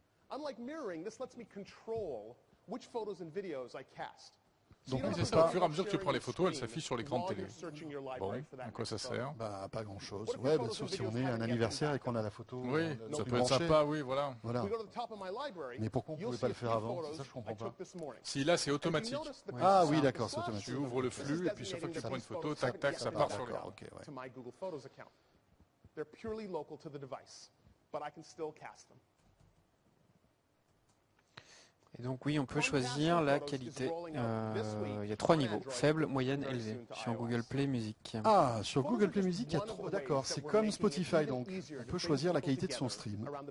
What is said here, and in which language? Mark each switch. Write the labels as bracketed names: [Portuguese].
[English] Unlike mirroring, this lets me control which photos and videos I cast. [French] Donc, oui, c'est ça. Au fur et à mesure que tu prends les photos, elles s'affichent sur l'écran de télé. Bon, à quoi ça sert? Bah, pas grand-chose. Ouais, bah, sauf si on est un anniversaire et qu'on a la photo. Oui, ça peut être sympa, oui, voilà. Voilà. Mais pourquoi on ne pouvait pas le faire avant? Ça, je comprends pas. Si, là, c'est automatique. Ah oui, d'accord, c'est automatique. Tu ouvres le flux et puis chaque fois que tu prends une photo, tac, tac, ça part sur l'écran. D'accord, ok, ouais. [English] Google Photos account. They're purely local to the device, but I can still cast them. [French] Et donc oui, on peut choisir la qualité. Il y a trois niveaux, faible, moyenne, élevée, sur Google Play Music. Ah, sur Google Play Music, il y a trois. D'accord, c'est comme Spotify, donc on peut choisir la qualité de son stream.